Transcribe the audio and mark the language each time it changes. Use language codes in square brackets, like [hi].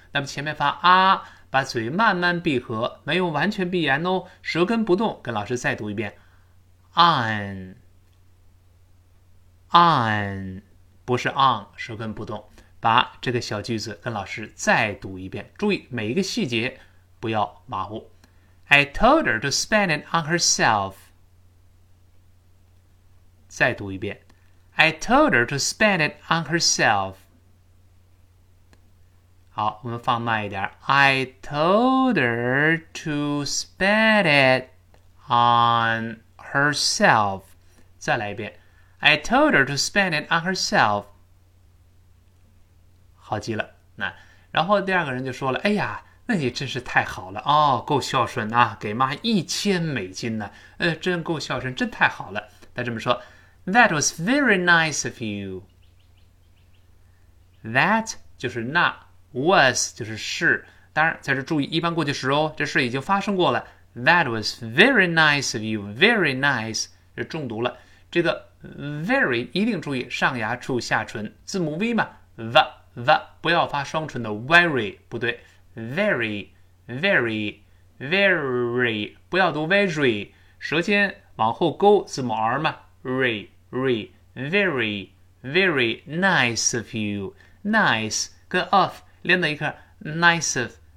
[zh] 那么前面发啊，把嘴慢慢闭合，没有完全闭严哦，舌根不动，跟老师再读一遍。On， on，不是 on， 舌根不动。把这个小句子跟老师再读一遍，注意每一个细节，不要马虎。 [en] I told her to spend it on herself. [zh] 再读一遍。 [en] I told her to spend it on herself. [zh] 好，我们放慢一点。 [en] I told her to spend it on herself. [zh] 再来一遍。 [en] I told her to spend it on herself. [zh] 好极了。那然后第二个人就说了，哎呀，那你真是太好了，哦，够孝顺啊，给妈$1,000呢，真够孝顺，真太好了。他这么说， [en] That was very nice of you. [zh] That 就是那， was 就是是，当然在这注意一般过去时哦，这事已经发生过了。 [en] That was very nice of you. [zh] Very nice 这中毒了，这个 very 一定注意上牙触下唇，字母 V 嘛， the the 不要发双唇的 very， 不对，very, very, very, 不要读 very, 舌尖往后勾字母 R 嘛， re, re, very, [en] very nice of you, [zh] nice 跟 of 连到一块， nice of,